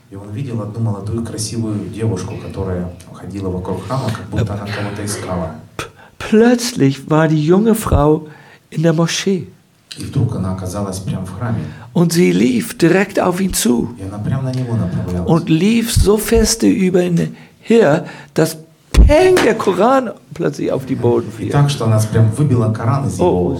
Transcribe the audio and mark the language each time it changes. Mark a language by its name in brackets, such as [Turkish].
[Russian] И он видел одну молодую красивую девушку, которая ходила вокруг храма, как будто она кого-то искала. [German] Plötzlich war die junge Frau in der Moschee. [Russian] И вдруг она оказалась прямо в храме. [German] Und sie lief direkt auf ihn zu. [Russian] И она прямо на него направлялась. [German] Und lief so feste über ihn her, dass peng der Koran plötzlich auf die Boden fiel. [Russian] И так, что она прям выбила Коран из его рук.